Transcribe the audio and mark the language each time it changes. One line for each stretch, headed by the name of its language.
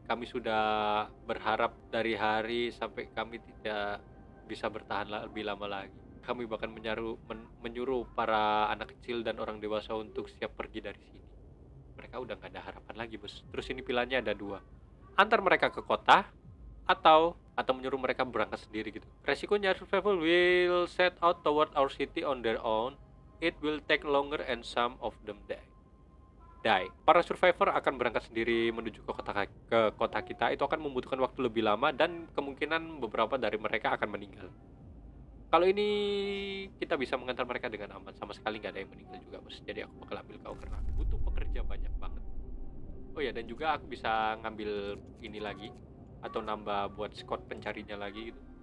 Indonesian: Kami sudah berharap dari hari sampai kami tidak bisa bertahan lebih lama lagi. Kami bahkan menyuruh para anak kecil dan orang dewasa untuk siap pergi dari sini. Mereka udah gak ada harapan lagi, Bos. Terus ini pilihannya ada dua. Antar mereka ke kota atau menyuruh mereka berangkat sendiri gitu.
English: Resikonya survival will set out toward our city on their own. It will take longer and some of them die.
Indonesian: Para survivor akan berangkat sendiri menuju ke kota kita. Itu akan membutuhkan waktu lebih lama dan kemungkinan beberapa dari mereka akan meninggal. Kalau ini kita bisa mengantar mereka dengan aman, sama sekali nggak ada yang meninggal juga, Bos. Jadi aku bakal ambil kau karena aku butuh pekerja banyak banget. Oh ya, dan juga aku bisa ngambil ini lagi atau nambah buat scout pencarinya lagi gitu.